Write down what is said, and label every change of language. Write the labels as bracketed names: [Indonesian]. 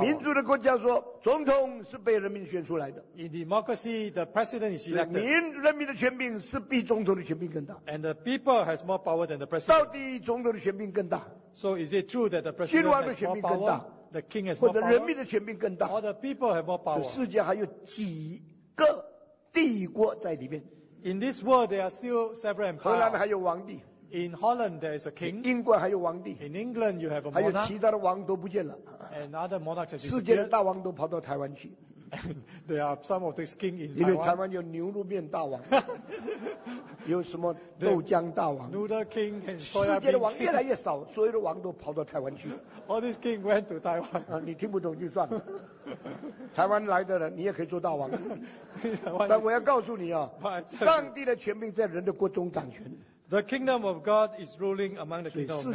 [Chinese] 民主的国家说, 总统是被人民选出来的。 [English] In democracy, the president is elected. [Chinese] 人民的权柄是比总统的权柄更大。 [English] And the people has more power than the president. [Chinese] 到底总统的权柄更大。 [English] So is it true that the president has more power? The king has more power? [Chinese] 或者人民的权柄更大。 [English] Or the people have more power? [Chinese] 世界还有几个帝国在里面。 [English] In this world, there are still several empires. [Chinese] 荷兰还有王帝。 [English] In Holland, there is a king. [Chinese] 英国还有王帝, [English] in England, you have a monarch. [Chinese] 还有其他的王都不见了, [English] and other monarchs have [Chinese] disappeared. 世界的大王都跑到台湾去, [English] there are some of these kings in Taiwan. [Chinese] 因为台湾有牛肉面大王, 有什么豆浆大王, [English] the noodle king and soya bean. [Chinese] 世界的王越来越少, 所有的王都跑到台湾去, [English] all these kings went to Taiwan. [Chinese] 你听不懂就算了, 台湾来的人, 你也可以做大王, 但我要告诉你啊, 上帝的权柄在人的国中掌权。 [English] The kingdom of God is ruling among the kingdom of man.